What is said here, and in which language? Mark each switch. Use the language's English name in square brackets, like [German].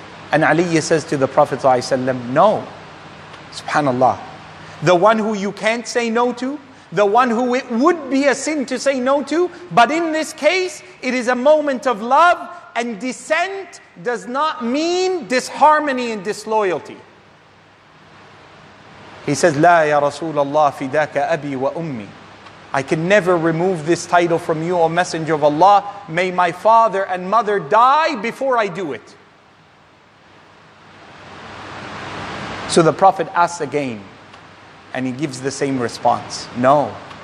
[English] And Ali says to the Prophet sallallahu alayhi wa sallam, no. Subhanallah. The one who you can't say no to, the one who it would be a sin to say no to, but in this case, it is a moment of love, and dissent does not mean disharmony and disloyalty. He says, [Arabic] لا يا رسول الله فداك أبي وأمي. [English] I can never remove this title from you, O Messenger of Allah. May my father and mother die before I do it. So the Prophet asks again, and he gives the same response. No.